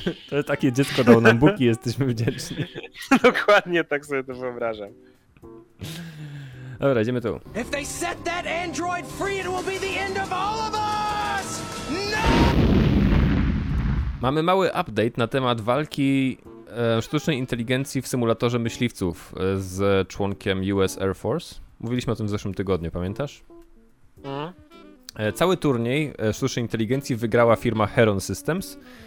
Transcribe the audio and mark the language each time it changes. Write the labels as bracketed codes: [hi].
[pl] To takie dziecko dał nam Bóg i jesteśmy wdzięczni. Dokładnie tak sobie to wyobrażam. Dobra, idziemy tu. [en] If they set that android free, it will be the end of all of us! No! [pl] Mamy mały update na temat walki sztucznej inteligencji w symulatorze myśliwców z członkiem US Air Force. Mówiliśmy o tym w zeszłym tygodniu, pamiętasz? Mhm. Cały turniej sztucznej inteligencji wygrała firma Heron Systems.